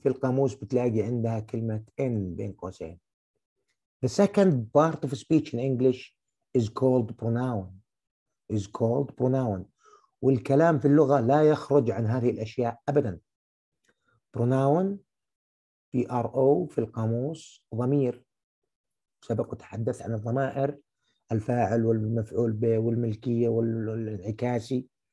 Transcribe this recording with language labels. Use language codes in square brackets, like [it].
[ar] في القاموس بتلاقي عندها كلمة in بين قوسين. [en] The second part of speech in English is called pronoun. Is called pronoun. [ar] والكلام في اللغة لا يخرج عن هذه الأشياء أبدا. Pronoun, P-R-O في القاموس ضمير. سبق وتحدث عن الضمائر الفاعل والمفعول به والملكية والانعكاسي.